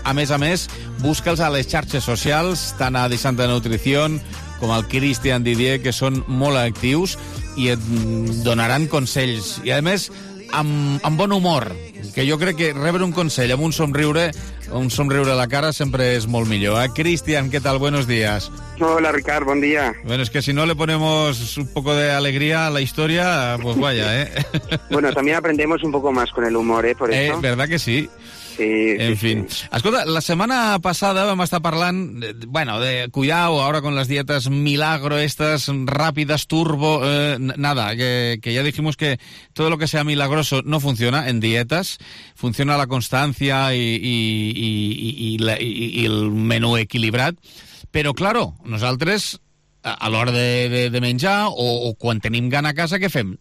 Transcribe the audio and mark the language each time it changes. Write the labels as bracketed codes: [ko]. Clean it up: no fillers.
[ca] A més, busca'ls a les xarxes socials, tant a Di Santa Nutrición com al Cristian Didier, que són molt actius i et donaran consells. I, a més, amb bon humor, que jo crec que rebre un consell amb un somriure a la cara sempre és molt millor. Cristian, què tal? [es] Buenos días. [ca] Hola, Ricard, bon dia. [es] Bueno, es que si no le ponemos un poco de alegría a la historia, pues vaya, ¿eh? Bueno, también aprendemos un poco más con el humor, ¿eh? Por eso. ¿Verdad que sí? Sí, en fin. Sí. [ca] Escolta, la setmana passada vam estar parlant, [es] bueno, de cuidao, ahora con las dietas milagro estas, rápidas, turbo, nada, que ya dijimos que todo lo que sea milagroso no funciona en dietas, funciona la constancia y el menú equilibrat, pero claro, nosaltres [ca] a l'hora de menjar o quan tenim gana a casa, què fem?